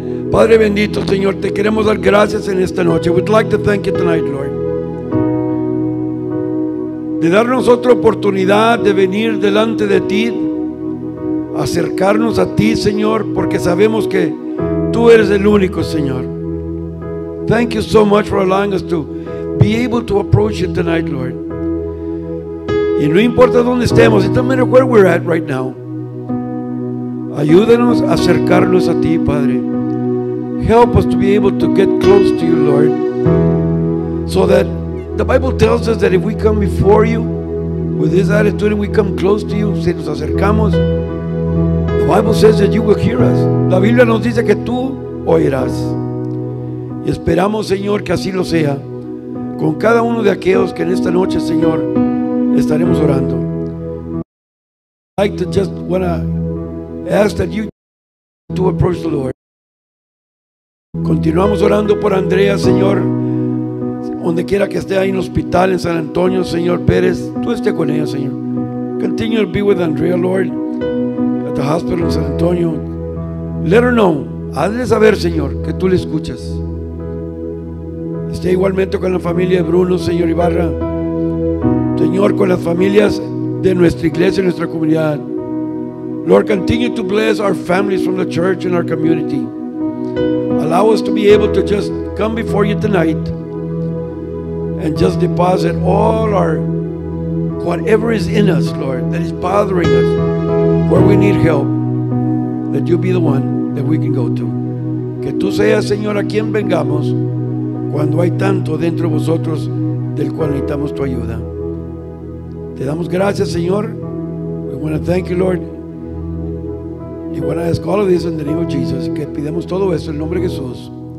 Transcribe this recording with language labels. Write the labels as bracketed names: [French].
[Spanish] Padre bendito, Señor, te queremos dar gracias en esta noche. [English] We'd like to thank you tonight, Lord. [Spanish] De darnos otra oportunidad de venir delante de ti, acercarnos a ti, Señor, porque sabemos que Tú eres el único, Señor. [English] Thank you so much for allowing us to be able to approach you tonight, Lord. [Spanish] Y no importa dónde estemos, [English] it doesn't matter where we're at right now. [Spanish] Ayúdanos a acercarnos a ti, Padre. [English] Help us to be able to get close to you, Lord. So that the Bible tells us that if we come before you with this attitude and we come close to you, [Spanish] si nos acercamos, [English] the Bible says that you will hear us. [Spanish] La Biblia nos dice que tú oirás. Y esperamos, Señor, que así lo sea con cada uno de aquellos que en esta noche, Señor, estaremos orando. [English] I'd like to just want to ask that you to approach the Lord. [Spanish] Continuamos orando por Andrea, Señor, donde quiera que esté ahí en el hospital, en San Antonio, Señor Pérez. Tú esté con ella, Señor. [English] Continue to be with Andrea, Lord. The hospital in San Antonio. Let her know. [Spanish] Hazle saber, Señor, que tú le escuchas. Esté igualmente con la familia de Bruno, Señor Ibarra. Señor, con las familias de nuestra iglesia y nuestra comunidad. [English] Lord, continue to bless our families from the church and our community. Allow us to be able to just come before you tonight and just deposit all our whatever is in us, Lord, that is bothering us. Where we need help, that you be the one that we can go to. [Spanish] Que tú seas, Señor, a quien vengamos cuando hay tanto dentro de vosotros del cual necesitamos tu ayuda. Te damos gracias, Señor. [English] We want to thank you, Lord. We want to ask all of this in the name of Jesus. [Spanish] Que pidamos todo esto en el nombre de Jesús.